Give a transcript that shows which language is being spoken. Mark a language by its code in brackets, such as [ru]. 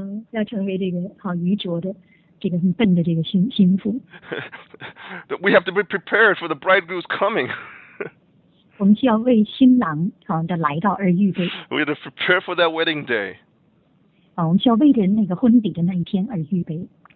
[zh] 要成为这个愚拙的这个很笨的这个新妇。 [en] We have to be prepared for the bridegroom's coming. [zh] 我们需要为新郎的来到而预备。 [en] We have to prepare for that wedding day. [zh] 我们需要为着那个婚礼的那一天而预备。